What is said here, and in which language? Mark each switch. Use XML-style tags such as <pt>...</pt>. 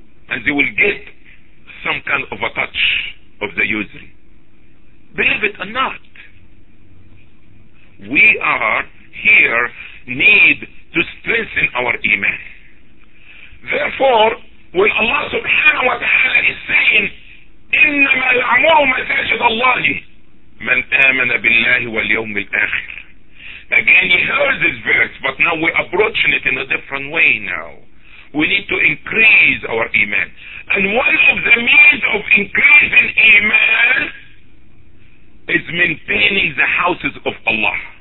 <en>And they will get some kind of a touch of the usury. Believe it or not, we are here need to strengthen our iman. Therefore, when Allah subhanahu wa ta'ala is saying,</en> <ar>إِنَّمَا الْعَمُرُ مَسَاجِدَ اللَّهِ مَنْ آمَنَ بِاللَّهِ وَالْيَوْمِ الْآخِرِ.</ar> <en>Again, you heard this verse, but now we're approaching it in a different way now. We need to increase our iman. And one of the means of increasing iman is maintaining the houses of Allah.</en>